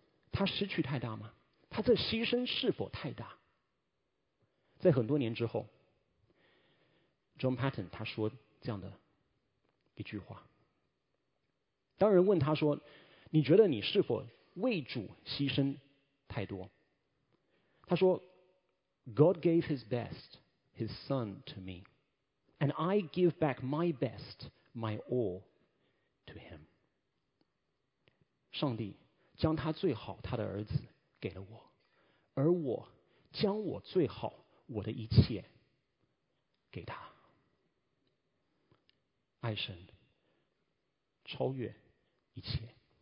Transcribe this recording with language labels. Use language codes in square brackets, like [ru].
[zh] 他失去太大吗？他这牺牲是否太大？在很多年之后， John Patton 他说这样的一句话，当人问他说，你觉得你是否为主牺牲太多？他说， [en] God gave his best, his son to me, and I give back my best, my all to him. [zh] 上帝将他最好他的儿子给了我，而我将我最好我的一切给他。爱神超越一切。